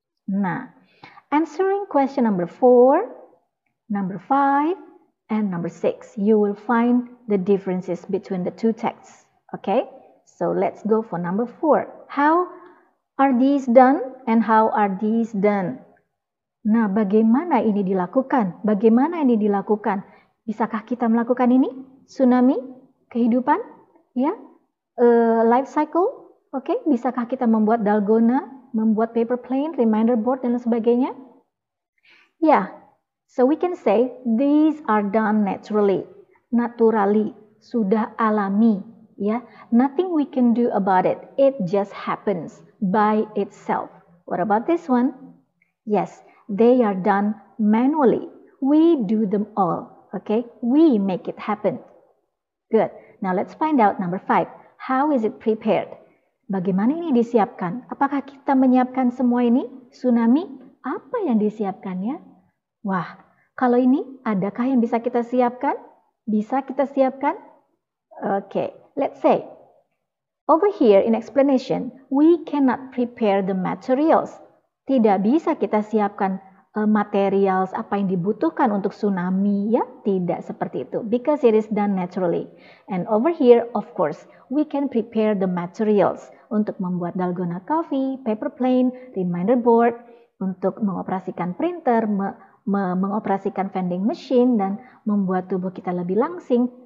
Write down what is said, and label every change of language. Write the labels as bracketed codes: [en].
[en] Nah, answering question number 4, number 5, and number 6, you will find the differences between the two texts. Okay, so let's go for number 4. How are these done and how are these done? [id] Nah, bagaimana ini dilakukan? Bagaimana ini dilakukan? Bisakah kita melakukan ini? Tsunami? Kehidupan? Ya? Life cycle? Oke, bisakah kita membuat dalgona? Membuat paper plane, reminder board, dan sebagainya? [en] Ya, so we can say these are done naturally. Naturally, [id] sudah alami. [en] Ya, nothing we can do about it. It just happens by itself. What about this one? Yes, they are done manually. We do them all. Okay, we make it happen. Good. Now let's find out number 5. How is it prepared? [id] Bagaimana ini disiapkan? Apakah kita menyiapkan semua ini? Tsunami? Apa yang disiapkannya? Wah, kalau ini, adakah yang bisa kita siapkan? Bisa kita siapkan? [en] Okay, let's say. Over here in explanation, we cannot prepare the materials. [id] Tidak bisa kita siapkan materials apa yang dibutuhkan untuk tsunami ya, tidak seperti itu, [en] because it is done naturally. And over here, of course, we can prepare the materials [id] untuk membuat dalgona coffee, paper plane, reminder board, untuk mengoperasikan printer, mengoperasikan vending machine, dan membuat tubuh kita lebih langsing.